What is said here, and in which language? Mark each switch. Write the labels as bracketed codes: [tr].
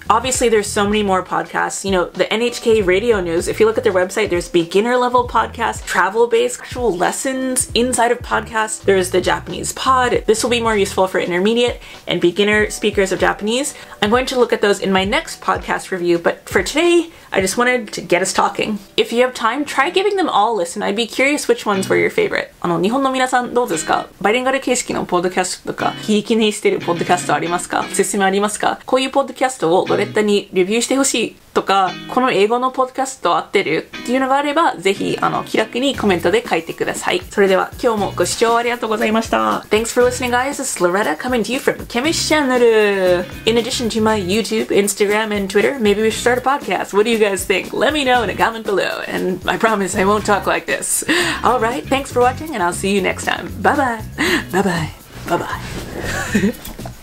[en] Obviously, there's so many more podcasts. You know, the NHK Radio News, if you look at their website, there's beginner-level podcasts, travel-based, actual lessons inside of podcasts. There's the Japanese Pod. This will be more useful for intermediate and beginner speakers of Japanese. I'm going to look at those in my next podcast review, but for today, I just wanted to get us talking. If you have time, try giving them all a listen. I'd be curious which ones were your favorite. [ja] 日本の皆さん、どうですか?バイリンガル形式のポッドキャストとか、ひいきにしてるポッドキャストありますか?おすすめありますか? こういうポッドキャストをロレッタにレビューしてほしいとか、この英語のポッドキャスト合ってるっていうのがあれば、ぜひ気楽にコメントで書いてください。それでは、今日もご視聴ありがとうございました。 [en] Thanks for listening, guys. This is Loretta coming to you from Kemish Channel. In addition to my YouTube, Instagram, and Twitter, maybe we should start a podcast. What do you guys think? Let me know in a comment below. And I promise I won't talk like this. All right, thanks for watching, and I'll see you next time. Bye-bye. Bye-bye. Bye-bye.